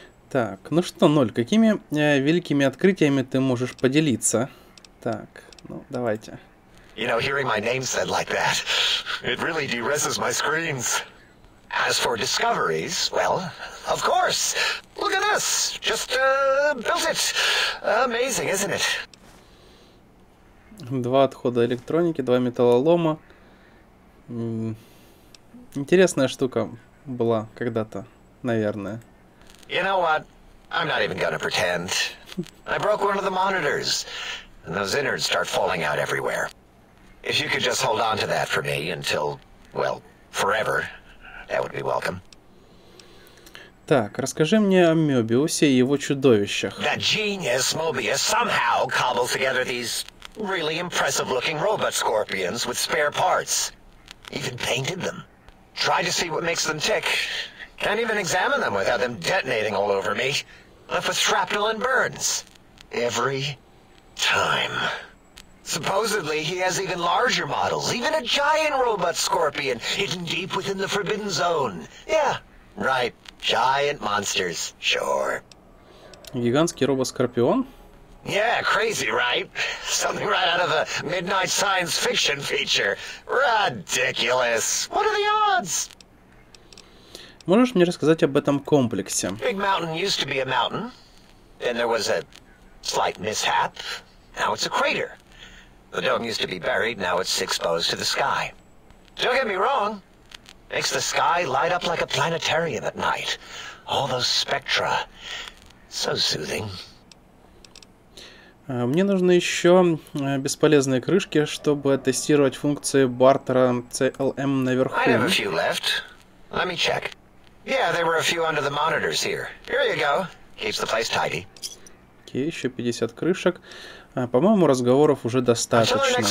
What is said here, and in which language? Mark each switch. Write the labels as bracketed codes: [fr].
[ru] Так, ну что, Ноль, какими великими открытиями ты можешь поделиться? Так, ну давайте. [en] You know, hearing my name said like that, it really de-reses my screens. As for discoveries, well, of course. Look at us, just built it. Amazing, isn't it? [ru] Два отхода электроники, два металлолома. Интересная штука была когда-то, наверное. [en] You know what? I'm not even gonna pretend. I broke one of the monitors, and those innards start falling out everywhere. If you could just hold on to that for me until, well, forever, that would be welcome. [ru] Так, расскажи мне о Мёбиусе и его чудовищах. [en] That genius Mobius somehow cobbles together these really impressive-looking robot scorpions with spare parts. Even painted them. Tried to see what makes them tick. Can't even examine them without them detonating all over me. Left with shrapnel and burns. Every time. Supposedly, he has even larger models, even a giant robot scorpion, hidden deep within the Forbidden Zone. Yeah, right. Giant monsters, sure. [ru] Гигантский робот-скорпион? [en] Yeah, crazy, right? Something right out of a midnight science fiction feature. Ridiculous. What are the odds? [ru] Можешь мне рассказать об этом комплексе? [en] Big mountain used to be a mountain. Then there was a slight mishap. Now it's a crater. The dome used to be buried, now it's exposed to the sky. Don't get me wrong. Makes the sky light up like a planetarium at night. All those spectra. So soothing. [ru] Мне нужны еще бесполезные крышки, чтобы тестировать функции бартера CLM наверху. [en] I have a few left. Let me check. Yeah, there were a few under the monitors here. Here you go. Keeps the place tidy. [ru] Окей, еще 50 крышек. По-моему, разговоров уже достаточно.